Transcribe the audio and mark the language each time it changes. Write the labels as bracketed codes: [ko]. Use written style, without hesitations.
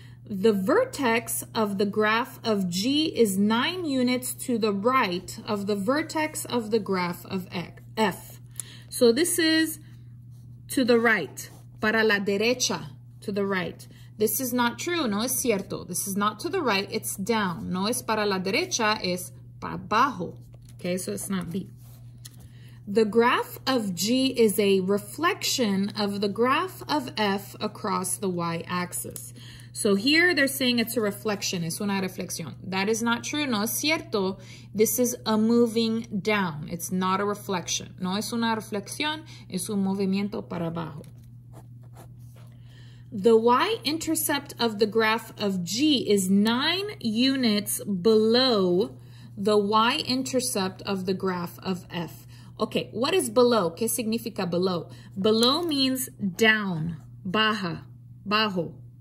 [en] The vertex of the graph of G is 9 units to the right of the vertex of the graph of F. So this is to the right, [es] para la derecha, [en] to the right. This is not true, [es] no es cierto. [en] This is not to the right, it's down. [es] No es para la derecha, es para abajo. [en] Okay, so it's not B. The graph of G is a reflection of the graph of F across the y-axis. So here they're saying it's a reflection, [es] es una reflexión. [en] That is not true, [es] no es cierto. [en] This is a moving down, it's not a reflection. [es] No es una reflexión, es un movimiento para abajo. [en] The y-intercept of the graph of G is 9 units below the y-intercept of the graph of F. Okay, what is below? [es] ¿Qué significa below? [en] Below means down, [es] baja, bajo.